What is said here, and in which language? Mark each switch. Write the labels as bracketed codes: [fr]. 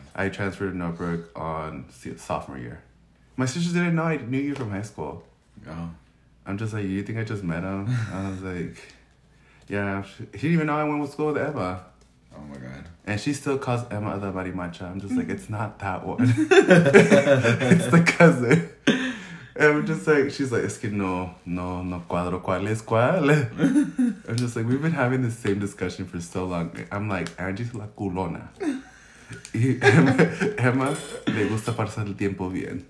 [en] I transferred to Northbrook on sophomore year. My sisters didn't know I knew you from high school. Oh. I'm just like, you think I just met him? I was like, yeah. He didn't even know I went to school with Emma. Oh my God. And she still calls Emma the Mari Matcha. I'm just like, it's not that one. It's the cousin. And I'm just like, she's like, [es] es que no cuadro cuál es cuál. [en] I'm just like, we've been having the same discussion for so long. I'm like, Angie's [es] la culona. Emma, le gusta pasar el tiempo bien.